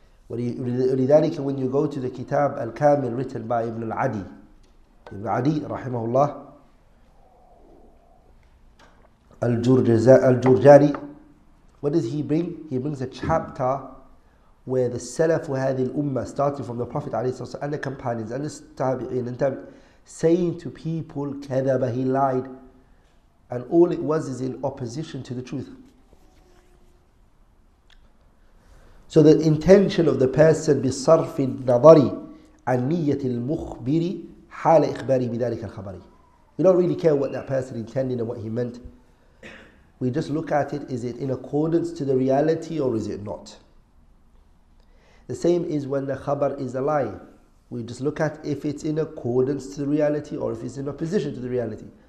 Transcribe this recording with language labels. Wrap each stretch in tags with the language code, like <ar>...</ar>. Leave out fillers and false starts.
<ar>ولذلك</ar> <en>when you go to the Kitab Al-Kamil written by Ibn Al-Adi, Ibn Adi, rahimahullah, Al-Jurjani, what does he bring? He brings a chapter where the Salaf of hadhihi Ummah, starting from the Prophet ﷺ and the companions and the Tabi'in and Tabi'in, saying to people, كذب, he lied. And all it was is in opposition to the truth. So the intention of the person</en> <ar>بصرف النظر عن نية المخبر حال إخباره بذلك الخبر.</ar> <en>We don't really care what that person intended and what he meant. We just look at it, is it in accordance to the reality or is it not? The same is when the khabar is a lie. We just look at if it's in accordance to the reality or if it's in opposition to the reality.</en>